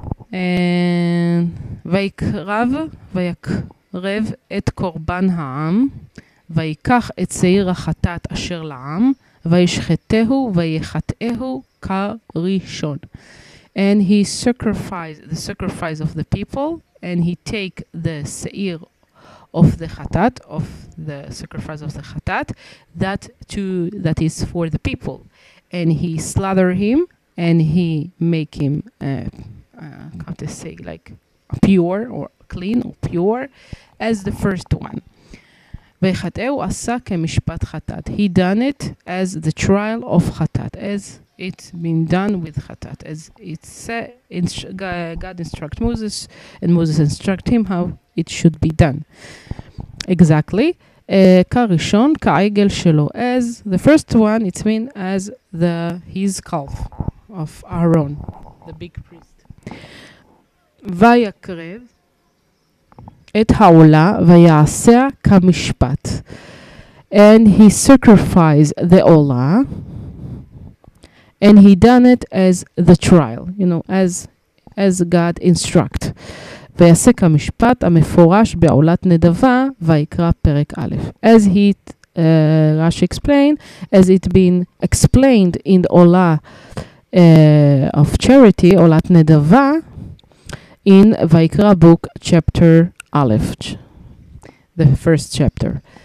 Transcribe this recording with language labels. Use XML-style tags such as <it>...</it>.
<he>And ויקרב ויקרב את קורבן העם ויקח את שעיר החטאת אשר לעם וישחטהו ויחטאהו כראשון.</he> <en>And he sacrificed the sacrifice of the people, and he take the seir of the chatat, of the sacrifice of the chatat, that is for the people, and he slaughter him, and he make him how to say, like pure or clean or pure as the first one.</en> <he>וְחַתֵּאוּ עָשָׂה כְּמִשְׁפַּט חַתַּת.</he> <en>He done it as the trial of חַתַּת, as it's been done with חַתַּת, as it said. God instruct Moses, and Moses instruct him how it should be done. Exactly.</en> <he>כָּרִשׁוֹן כַּעֵגֶל שֶׁלּוֹ,</he> <en>as the first one, it's mean as the his calf of Aaron, the big priest.</en> <he>וַיַּקְרֵב את העולה ויעשה כמשפט.</he> <en>And he sacrificed the עולה, and he done it as the trial, you know, as God instruct.</en> <he>ויעשה כמשפט המפורש בעולת נדבה ויקרא פרק א',</he> <en>as he Rashi explained, as it been explained in the עולה of charity, עולת נדבה, in ויקרא book chapter Aleph, the first chapter.</en>